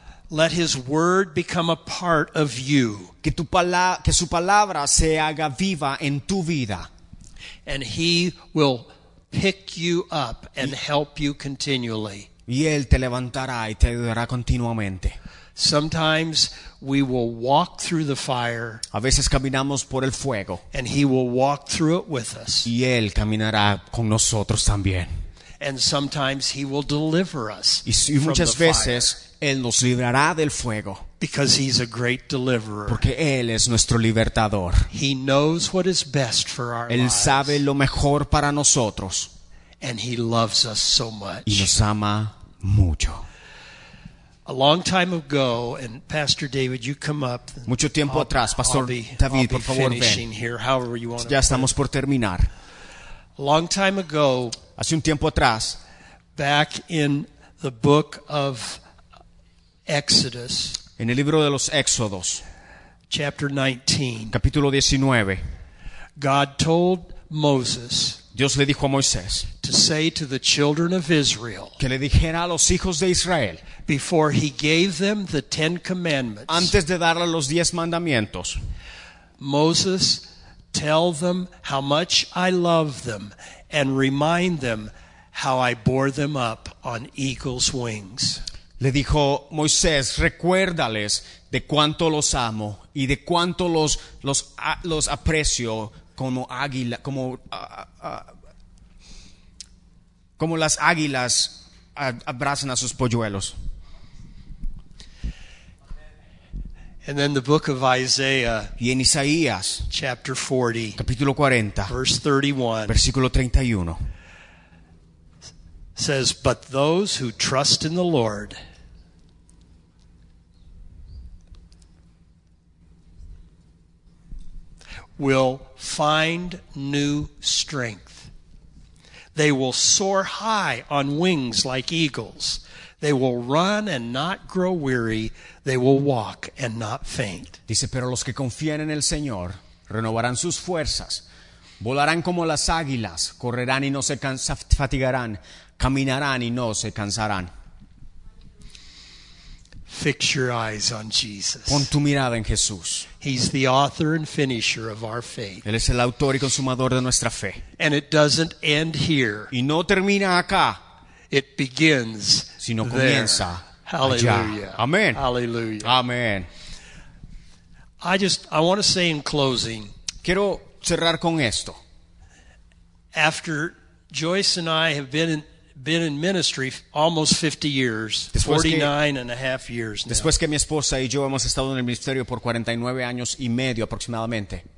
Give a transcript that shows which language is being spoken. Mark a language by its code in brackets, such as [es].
[en] Let His word become a part of you. [es] Que su palabra se haga viva en tu vida. [en] And He will pick you up and help you continually. [es] Y Él te levantará y te ayudará continuamente. [en] Sometimes we will walk through the fire. [es] A veces caminamos por el fuego. [en] And He will walk through it with us. [es] Y Él caminará con nosotros también. [en] And sometimes He will deliver us. [es] Y muchas veces Él nos librará del fuego. [en] Because He's a great deliverer. [es] Porque Él es nuestro libertador. [en] He knows what is best for our lives. [es] Él sabe lo mejor para nosotros. [en] And He loves us so much. [es] Y nos ama mucho. [en] A long time ago, and Pastor David, you come up. [es] Mucho tiempo atrás, Pastor David, por favor, ven. Ya estamos por terminar. [en] A long time ago, [es] hace un tiempo atrás, [en] back in the book of Exodus, [es] en el libro de los Éxodos, [en] chapter 19, [es] capítulo 19, [en] God told Moses, [es] Dios le dijo a Moisés, [en] to say to the children of Israel, [es] que le dijera a los hijos de Israel, [en] before He gave them the Ten Commandments, [es] antes de darle los diez mandamientos, [en] Moses, tell them how much I love them and remind them how I bore them up on eagle's wings. [es] Le dijo Moisés, recuérdales de cuánto los amo y de cuánto los aprecio como águila, como las águilas abrazan a sus polluelos. [en] And then the book of Isaiah, [es] y en Isaías, [en] chapter 40, [es] capítulo 40, [en] verse 31, [es] versículo 31, [en] says, but those who trust in the Lord, will find new strength. They will soar high on wings like eagles. They will run and not grow weary. They will walk and not faint. [es] Dice, pero los que confían en el Señor renovarán sus fuerzas, volarán como las águilas, correrán y no se fatigarán, caminarán y no se cansarán. [en] Fix your eyes on Jesus. [es] Pon tu mirada en Jesús. [en] He's the author and finisher of our faith. [es] Él es el autor y consumador de nuestra fe. [en] And it doesn't end here. [es] Y no termina acá. [en] It begins [es] sino comienza [en] there. Hallelujah. Amen. Hallelujah. Amen. I want to say in closing. [es] Quiero cerrar con esto. [en] After Joyce and I have been in ministry almost 50 years, 49 and a half years now. [es] Después que mi esposa y yo hemos estado en el ministerio por 49 años y medio aproximadamente.